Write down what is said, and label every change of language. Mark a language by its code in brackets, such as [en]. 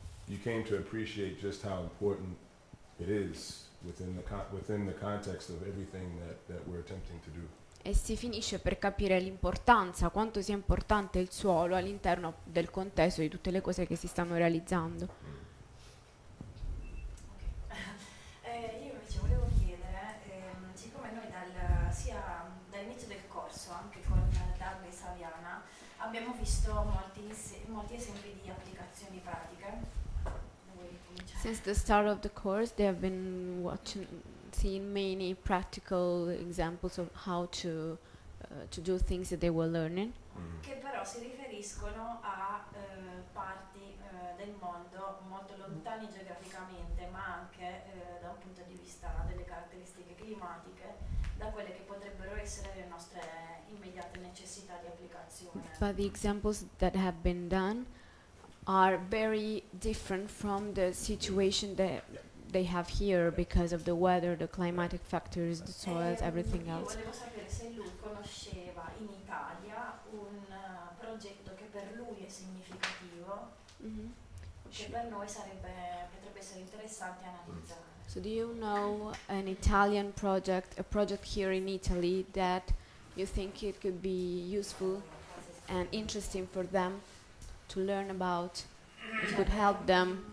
[en] You came to appreciate just how important it is within the context of everything that we're attempting to do. [it] E si finisce per capire l'importanza, quanto sia importante il suolo all'interno del contesto di tutte le cose che si stanno realizzando. [en] Okay. [it] Io invece volevo chiedere, siccome noi dall'inizio del corso, anche con Dagli Saviana, abbiamo visto molti esempi di applicazioni pratiche. [en] Since the start of the course, they have been seeing many practical examples of how to do things that they were learning. [it] Che però si riferiscono a parti del mondo molto lontani geograficamente, ma anche da un punto di vista delle caratteristiche climatiche, da quelle che potrebbero essere le nostre immediate necessità di applicazione. [en] But the examples that have been done are very different from the situation that they have here because of the weather, the climatic factors, the soils, everything else. [it] Volevo sapere se lui conosceva in Italia un progetto che per lui è significativo, che per noi potrebbe essere interessante analizzare. [en] So do you know an Italian project, a project here in Italy that you think it could be useful and interesting for them to learn about, it could help them,